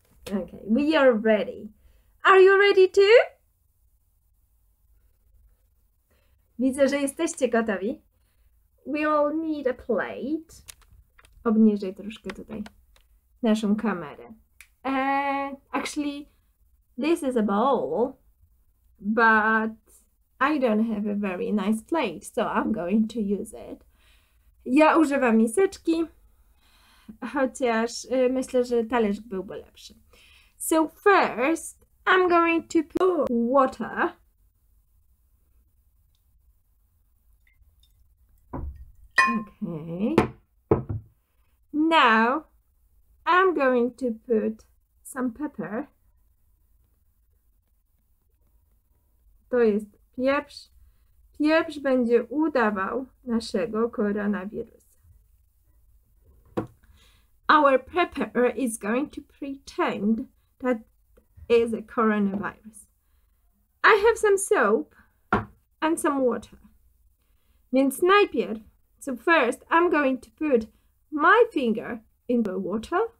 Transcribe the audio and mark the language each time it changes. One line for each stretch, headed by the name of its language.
English: Okay, we are ready. Are you ready too?
Polish: Widzę, że jesteście gotowi.
English: We all need a plate.
Polish: Obniżaj troszkę tutaj naszą kamerę.
English: Actually, this is a bowl, but I don't have a very nice plate, so I'm going to use it.
Polish: Ja używam miseczki, chociaż myślę, że talerz byłby lepszy.
English: So first, I'm going to put water. Okay, now I'm going to put some pepper.
Polish: To jest pieprz. Pieprz będzie udawał naszego koronawirusa.
English: Our pepper is going to pretend that is a coronavirus. I have some soap and some water.
Polish: Więc najpierw.
English: So first, I'm going to put my finger in the water.